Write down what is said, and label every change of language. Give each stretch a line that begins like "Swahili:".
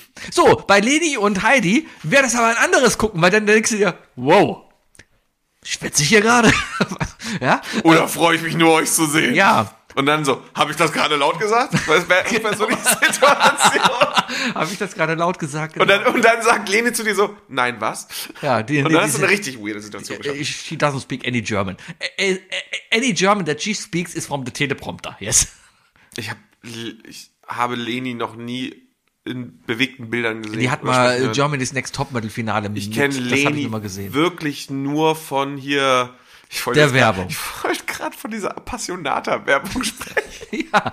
German: So, bei Leni und Heidi wäre das aber ein anderes Gucken, weil dann denkst du dir, wow, schwitze ich hier gerade? Ja? Oder freue ich mich nur, euch zu sehen? Ja. Und dann so, habe ich das gerade laut gesagt? Das wäre echt so die Situation. Habe ich das gerade laut gesagt? Genau. Und dann sagt Leni zu dir so, nein, was? Ja, die, und dann hast du eine richtig weirde Situation geschafft.
English: She doesn't speak any German. Any German that she speaks is from the teleprompter, yes.
German: Ich habe Leni noch nie in bewegten Bildern gesehen. Die hat mal Germany's Next Topmodel-Finale mit. Ich kenne Leni wirklich nur von hier... Werbung. Ich wollte gerade von dieser Appassionata-Werbung sprechen.